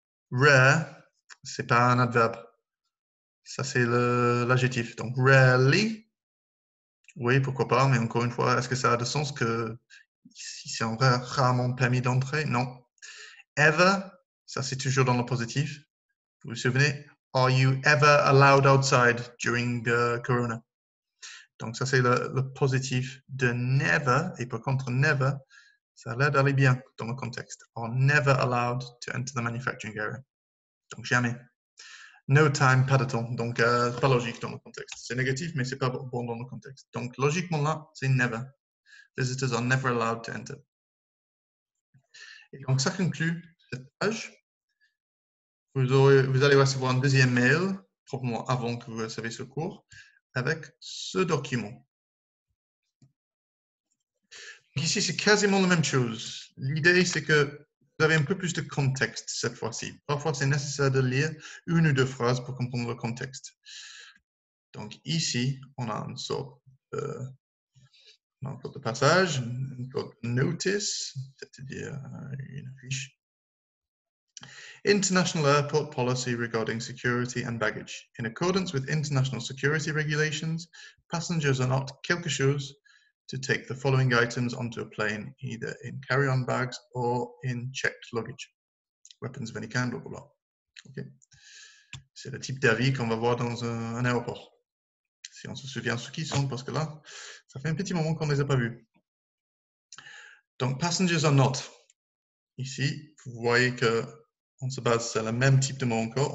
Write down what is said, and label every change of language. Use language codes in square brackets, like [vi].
[fr] Rare, c'est pas un adverbe. Ça, c'est l'adjectif. Donc, rarely, oui, pourquoi pas, mais encore une fois, est-ce que ça a de sens que si c'est rarement permis d'entrer? Non. Ever, ça, c'est toujours dans le positif. Vous vous souvenez? [en] Are you ever allowed outside during the corona? [fr] Donc, ça, c'est le positif de never. Et par contre, never, ça a l'air d'aller bien dans le contexte. [en] Are never allowed to enter the manufacturing area. [fr] Donc, jamais. No time, pas de temps. Donc, pas logique dans le contexte. C'est négatif, mais c'est pas bon dans le contexte. Donc, logiquement là, c'est never. [en] Visitors are never allowed to enter. [fr] Et donc, ça conclut cette page. Vous allez recevoir un deuxième mail, probablement avant que vous receviez ce cours, avec ce document. Ici, c'est quasiment la même chose. L'idée, c'est que vous avez un peu plus de contexte cette fois-ci. Parfois, c'est nécessaire de lire une ou deux phrases pour comprendre le contexte. Donc ici, on a une sorte de passage, une sorte de notice, c'est-à-dire une affiche. [en] International Airport Policy Regarding Security and Baggage. In accordance with international security regulations, passengers are not [fr] quelque chose [en] to take the following items onto a plane, either in carry-on bags or in checked luggage. Weapons of any kind, blah, blah, blah. Okay. [fr] C'est le type d'avis qu'on va voir dans un aéroport. Si on se souvient ce qu'ils sont, parce que là, ça fait un petit moment qu'on ne les a pas vus. Donc, [en] passengers are not. [fr] Ici, vous voyez que on se base sur le même type de mot encore.